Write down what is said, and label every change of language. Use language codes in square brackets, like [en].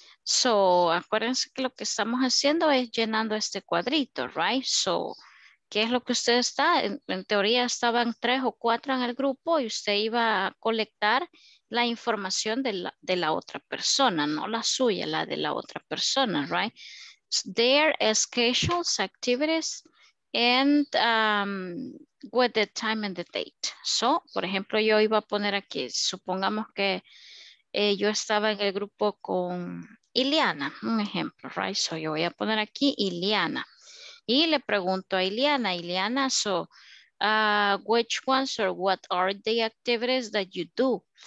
[es] So, acuérdense que lo que estamos haciendo es llenando este cuadrito, right? So, ¿qué es lo que usted está? En teoría estaban 3 o 4 en el grupo y usted iba a colectar la información de la otra persona, no la suya, la de la otra persona, right? [en] Their schedules, activities, and with the time and the date. [es] So, por ejemplo, yo iba a poner aquí, supongamos que yo estaba en el grupo con Ileana, un ejemplo, right? So, yo voy a poner aquí Ileana. Y le pregunto a Ileana, [en] Ileana, so, which ones or what are the activities that you do?